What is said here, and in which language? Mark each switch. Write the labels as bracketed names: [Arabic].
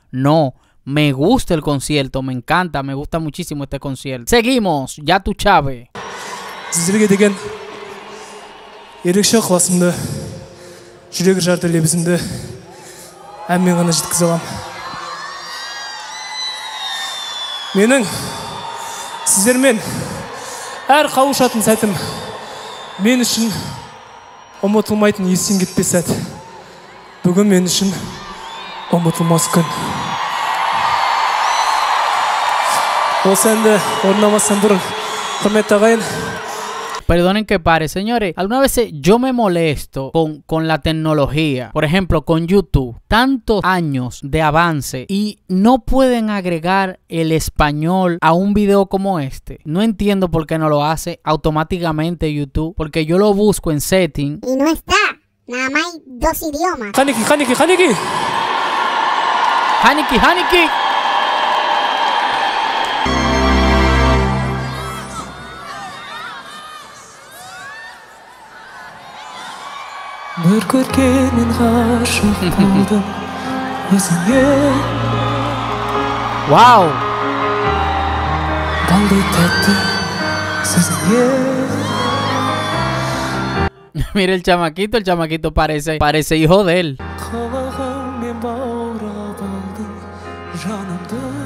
[Spanish] No, me gusta el concierto. Me encanta, me gusta muchísimo este concierto. Seguimos, ya tu chave. [Kazakh] Sizlerge degen erekşe qasımda jürek jardı lebizimde әмен ғана жеткізе аламын. Менің сіздермен әр қауышатын сәтім мен үшін ұмытылмайтын, есен кетпес сәт. Бүгін мен үшін ұмытылмас күн. Осы әнді орнамасын бұрын құрметті ағайын. [Spanish] Perdonen que pare, señores. Algunas veces yo me molesto con la tecnología. Por ejemplo, con YouTube. Tantos años de avance y no pueden agregar el español a un video como este. No entiendo por qué no lo hace automáticamente YouTube. Porque yo lo busco en setting. Y no está. Nada más hay dos idiomas. ¡Haniki, Haniki, Haniki! ¡Haniki, Haniki! [Kazakh] Бір көркенін ғашық болдым өзіңе. Вау! Балдай тәтті сөзіңе. [Spanish] Мир, el chamaquito parece hijo de él. [Kazakh] Қалағым мен баурап алдым жанымды.